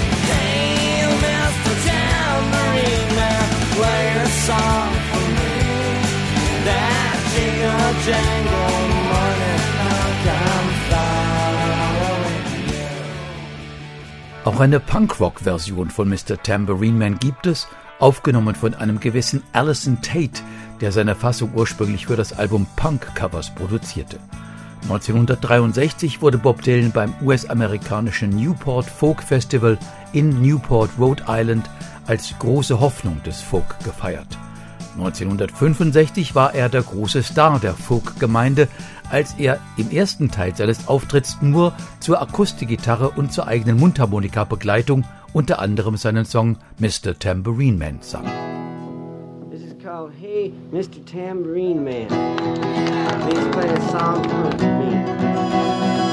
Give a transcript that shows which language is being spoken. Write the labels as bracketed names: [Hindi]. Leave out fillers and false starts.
[English] Hey, Mr. Tambourine Man, play a song for me. That jingle jangle money, I'll come following you. [German] Auch eine Punkrock-Version von Mr. Tambourine Man gibt es. Aufgenommen von einem gewissen Alison Tate, der seine Fassung ursprünglich für das Album Punk Covers produzierte. 1963 wurde Bob Dylan beim US-amerikanischen Newport Folk Festival in Newport, Rhode Island, als große Hoffnung des Folk gefeiert. 1965 war er der große Star der Folk-Gemeinde, als er im ersten Teil seines Auftritts nur zur Akustikgitarre und zur eigenen Mundharmonika-Begleitung unter anderem seinen Song Mr. Tambourine Man sang. [English] This is called Hey, Mr. Tambourine Man. Please play a song for me.